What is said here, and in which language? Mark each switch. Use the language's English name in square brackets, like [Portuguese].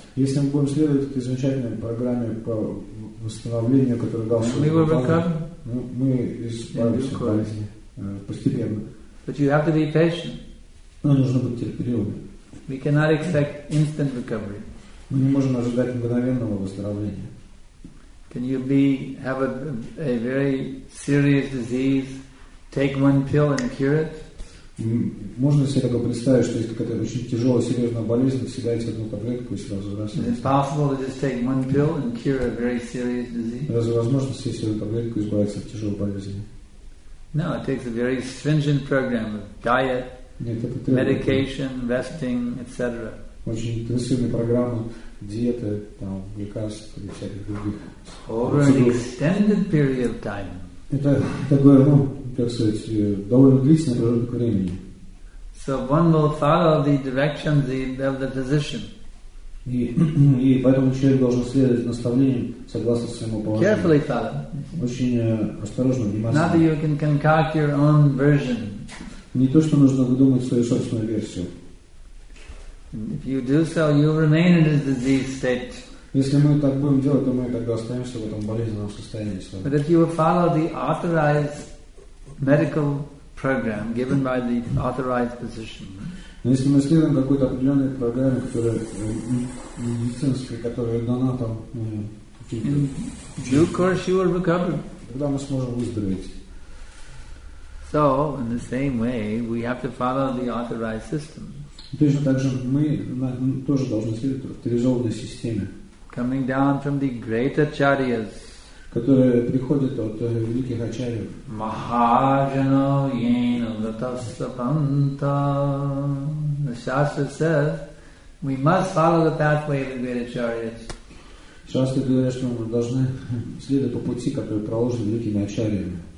[Russian] Если мы будем следовать этой замечательной программе по восстановлению, которую дал Srila Prabhupada, мы исправимся в болезни постепенно. [English] But you have to be patient. [Russian] Но нужно быть терпеливыми. [English] We cannot expect instant recovery. [Russian] Мы не можем ожидать мгновенного выздоровления. [English] Can you have a very serious disease, take one pill and cure it? [Russian] Можно себе такое представить, что если какая-то очень тяжелая, серьезная болезнь, съедаете одну таблетку и сразу разрешается? Разве возможно съесть одну таблетку и избавиться от тяжелой болезни? [English] No, it takes a very stringent program of diet, medication, resting, etc. [Russian] Очень интенсивная программа диеты, там, лекарств или всяких других. [English] Over an extended period of time. [Russian] Это такое, ну, как сказать, довольно длительное промежуток времени. [English] So one will follow the directions of the physician. [Russian] И поэтому человек должен следовать наставлениям согласно своему положению. [English] Carefully follow. [Russian] Очень осторожно, внимательно. [English] Not that you can concoct your own version. [Russian] Не то, что нужно выдумать свою собственную версию. [English] If you do so, you remain in a diseased state. [Russian] Если мы так будем делать, то мы тогда останемся в этом болезненном состоянии. [English] But if you will follow the authorized medical program given by the authorized physician. [Russian] Но если мы следуем какой-то определенной программе, которая медицинской, которая дана там, тогда мы сможем выздороветь. [English] So in the same way, we have to follow the authorized system. [Russian] Точно так же мы тоже должны следовать авторизованной системе, [English] coming down from the great acharyas, [Russian] которые приходят от великих ачарьев. [Sanskrit] Mahajano yena latasapanta. [English] The Shastra says we must follow the pathway of the great acharyas. [Russian] Shastra говорит, что мы должны следовать по пути, который проложен великими ачарьями.